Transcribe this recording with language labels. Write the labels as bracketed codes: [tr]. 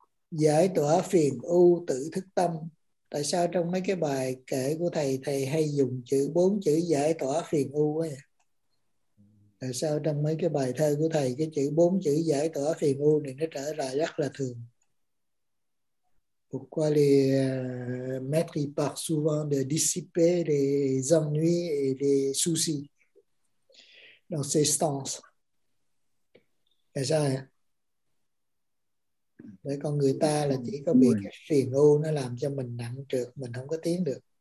[vi] Giải tỏa phiền ưu tự thức tâm. Tại sao trong mấy cái bài kể của thầy, thầy hay dùng chữ 4 chữ giải tỏa phiền ưu ấy? Tại sao trong mấy cái bài thơ của thầy cái chữ 4 chữ giải tỏa phiền ưu này nó trở lại rất là thường? [fr] Pourquoi les maîtres parlent souvent de dissiper les ennuis et les soucis dans ces stances? [vi] Tại sao ạ? Để con người ta là chỉ có bị cái phiền ưu nó làm cho mình nặng trược, mình không có tiến được.